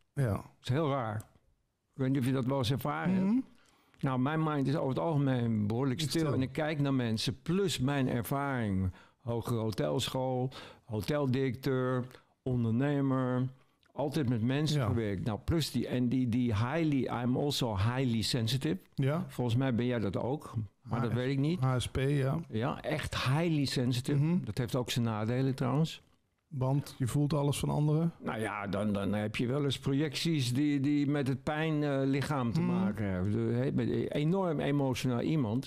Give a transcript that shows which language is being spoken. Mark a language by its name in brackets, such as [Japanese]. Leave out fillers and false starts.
[Dutch] Ja. Dat is heel raar. Ik weet niet of je dat wel eens ervaren hebt. Nou, mijn mind is over het algemeen behoorlijk stil. En ik kijk naar mensen, plus mijn ervaring. Hogere hotelschool, hoteldirecteur, ondernemer... Altijd met mensen gewerkt. Nou, plus die [English] highly, I'm also highly sensitive. [Dutch] Ja. Volgens mij ben jij dat ook, maar dat weet ik niet. HSP, ja. Ja, echt [English] highly sensitive. [Dutch] Mm-hmm. Dat heeft ook zijn nadelen trouwens. Want je voelt alles van anderen? Nou ja, dan heb je wel eens projecties die met het pijn lichaam te maken hebben. Met enorm emotioneel iemand.